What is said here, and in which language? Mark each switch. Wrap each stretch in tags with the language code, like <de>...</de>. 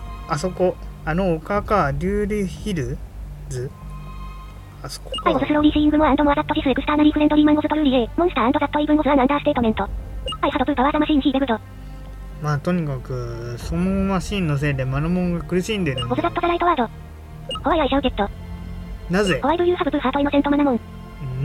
<ja>あそこ、あの丘か、リューリヒルズ？あそこか。</ja> <en>I was slowly seeing more and more that this externally friendly man was truly a monster and that even was an understatement. I had to power the machine, he begged.</en> <ja>まあとにかく、そのマシンのせいでマナモンが苦しんでる。</ja> <en>Was that the right word? Why I shall get?</en> <ja>なぜ？</ja> <en>Why do you have to hurt innocent マナモン？</en>